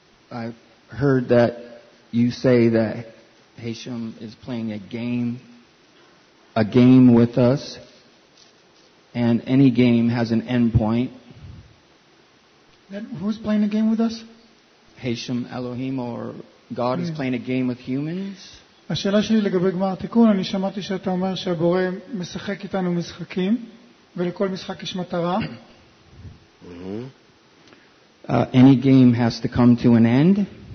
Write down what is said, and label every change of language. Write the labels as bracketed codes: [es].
[en] I heard that you say that Hashem is playing a game with us, and any game has an end point. Then who's playing a game with us? Hashem, Elohim, or God is playing a game with humans? [he] השאלה שלי לגבי גמר תיקון, אני שמעתי שאתה אומר שהבורא משחק איתנו משחקים, ולכל משחק יש מטרה. [en] Any game has to come to an end.